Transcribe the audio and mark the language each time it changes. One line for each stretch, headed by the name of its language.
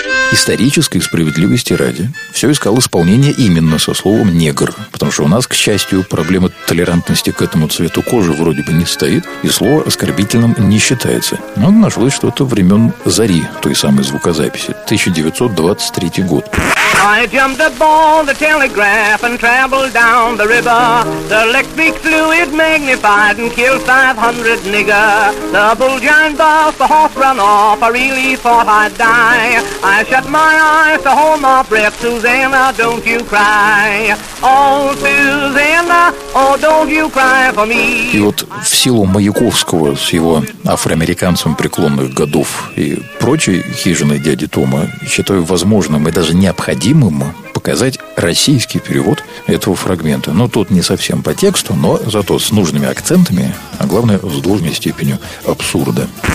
Russian: Исторической справедливости ради, все искал исполнение именно со словом «негр». Потому что у нас, к счастью, проблемы толерантности к этому цвету кожи вроде бы не стоит, и слово оскорбительным не считается. Но нашлось что-то времен зари той самой звукозаписи, 1923 год.
English: I jumped aboard the telegraph and traveled down the river. The electric fluid magnified and killed 500 nigger. The bull giant buff, the horse run off, I really thought I'd die. I shut my eyes to hold my breath, Susanna, don't you cry. Oh, Susanna, oh, don't you cry for me.
Russian: И вот в силу Маяковского с его афроамериканцем преклонных годов и прочей хижиной дяди Тома, считаю возможным и даже необходимым показать российский перевод этого фрагмента. Но тот не совсем по тексту, но зато с нужными акцентами, а главное, с должной степенью абсурда.